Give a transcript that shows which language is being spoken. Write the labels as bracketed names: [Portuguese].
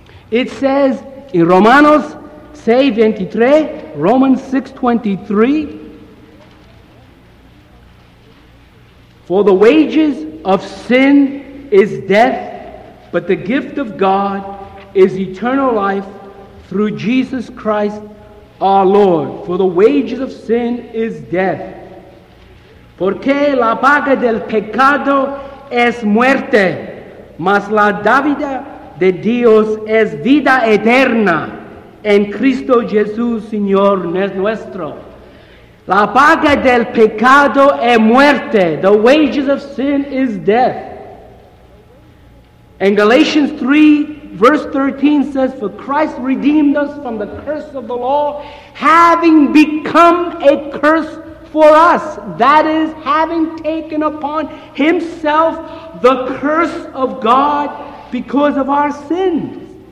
[English] It says in Romans 6:23, for the wages of sin is death, but the gift of God is eternal life through Jesus Christ our Lord. For the wages of sin is death. [Spanish] Porque la paga del pecado es muerte, mas la dádiva de Dios es vida eterna en Cristo Jesús, Señor nuestro. La paga del pecado es muerte. [English] The wages of sin is death. And Galatians 3, verse 13 says, for Christ redeemed us from the curse of the law, having become a curse for us. That is, having taken upon himself the curse of God because of our sins.